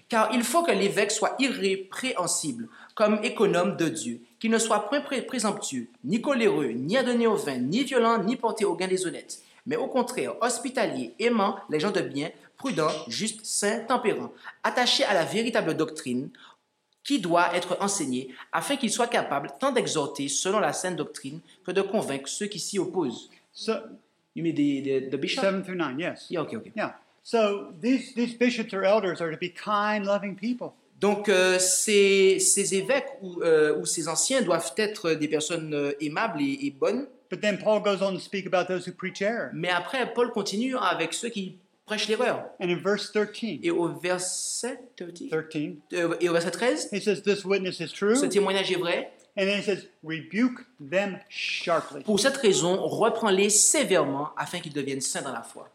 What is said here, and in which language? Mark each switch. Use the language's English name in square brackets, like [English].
[French] Car il faut que l'évêque soit irrépréhensible, comme économe de Dieu, qu'il ne soit point présomptueux, ni coléreux, ni adonné au vin, ni violent, ni porté au gain des honnêtes, mais au contraire, hospitalier, aimant les gens de bien, prudent, juste, saint, tempérant, attaché à la véritable doctrine, qui doit être enseigné, afin qu'il soit capable tant d'exhorter selon la sainte doctrine que de convaincre ceux qui s'y opposent. [English] So, you mean the bishop? 7 through 9, yes. Yeah, okay, okay. Yeah. So, these bishops or elders are to be kind, loving people. [French] Donc, ces évêques ou ces anciens doivent être des personnes aimables et bonnes. [English] But then Paul goes on to speak about those who preach error. [French] Mais après, Paul continue avec ceux qui prêche l'erreur. [English] And in verse 13, [French] et au verset 13, [English] 13, [French] et au verset 13, [English] he says, this witness is true. [French] Ce témoignage est vrai. [English] And then it says, rebuke them sharply. [French] Pour cette raison, reprends-les sévèrement afin qu'ils deviennent saints dans la foi.